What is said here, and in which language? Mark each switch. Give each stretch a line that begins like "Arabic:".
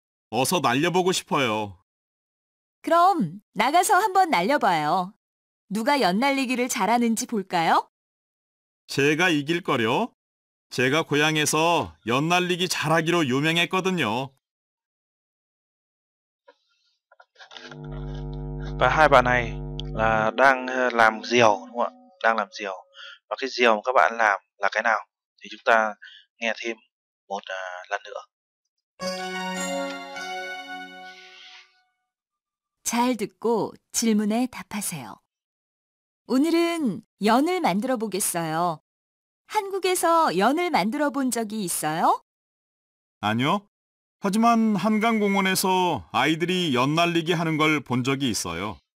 Korean: 어서 날려보고 싶어요. 그럼 나가서 한번 날려봐요. 누가 연날리기를 잘하는지 볼까요? 제가 이길 거려? 제가 고향에서 연날리기 잘하기로 유명했거든요.
Vietnamese: 바 hai bạn này là đang làm diều đúng không ạ? Đang làm diều. Và cái diều mà các bạn làm là cái nào? Thì chúng ta nghe thêm một lần nữa.
Korean: 잘 듣고 질문에 답하세요. 오늘은 연을 만들어 보겠어요. 한국에서 연을 만들어 본 적이 있어요? 아니요. 하지만 한강공원에서 아이들이 연 날리기 하는 걸 본 적이 있어요.